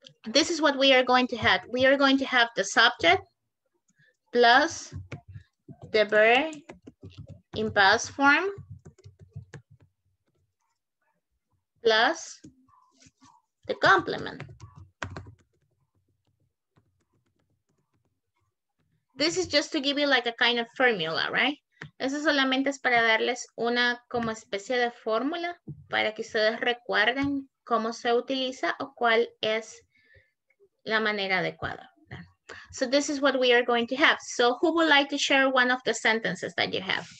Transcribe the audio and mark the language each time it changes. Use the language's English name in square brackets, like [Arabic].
[English] This is what we are going to have. We are going to have the subject plus the verb in past form plus the complement. This is just to give you like a kind of formula, right? [Spanish] Eso solamente es para darles una como especie de fórmula para que ustedes recuerden cómo se utiliza o cuál es la manera adecuada. [English] So this is what we are going to have. So who would like to share one of the sentences that you have?